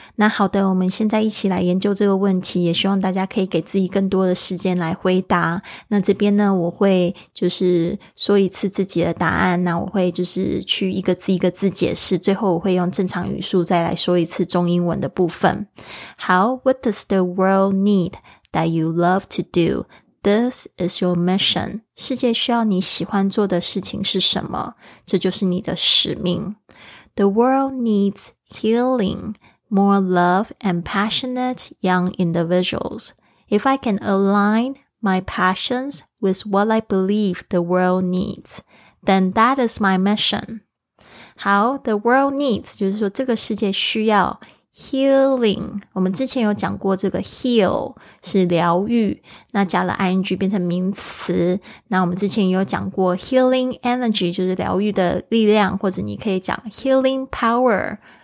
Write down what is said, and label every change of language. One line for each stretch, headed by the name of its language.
Chinese: 那好的，我们现在一起来研究这个问题，也希望大家可以给自己更多的时间来回答。那这边呢我会就是说一次自己的答案，那我会就是去一个字一个字解释，最后我会用正常语速再来说一次中英文的部分。
English: 好， What does the world need that you love to do? This is your mission.
Chinese: 世界需要你喜欢做的事情是什么？这就是你的使命。
English: The world needs healing, more love and passionate young individuals. If I can align my passions with what I believe the world needs, then that is my mission.
Chinese: 好，
English: the world needs
Chinese: 就是说这个世界需要healing， 我们之前有讲过这个 heal 是疗愈，那加了 ing 变成名词。那我们之前有讲过 healing energy 就是疗愈的力量，或者你可以讲 healing power。